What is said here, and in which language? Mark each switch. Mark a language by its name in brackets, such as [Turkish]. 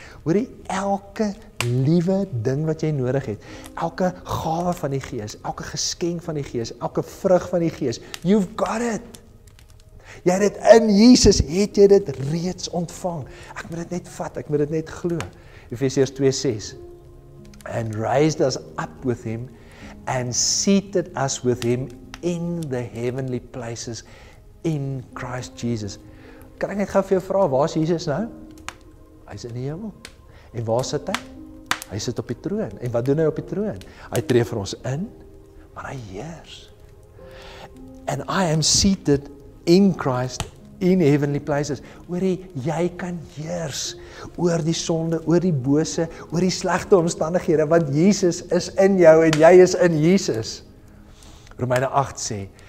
[Afrikaans] Hoorie, elke liewe ding wat jy nodig het, elke gawe van die Gees, elke geskenk van die Gees, elke vrug van die Gees, [English] you've got it. [Afrikaans] Jy het dit in Jesus, het jy dit reeds ontvang. Ek moet dit net vat, ek moet dit net glo. Efesiërs 2:6. [English] And raised us up with him and seated us with him in the heavenly places in Christ Jesus. [Afrikaans] Kan ek net gou vir jou vra, waar is Jesus nou? Hy's in die hemel. En waar sit hy? Hy sit op die troon. En wat doen hy op die troon? Hy tree vir ons in, maar hy heers. [English] And I am seated in Christ in heavenly places. [Afrikaans] Hoorie, jy kan heers oor die sonde, oor die bose, oor die slegte omstandighede, want Jesus is in jou en jy is in Jesus. Romeine 8 sê,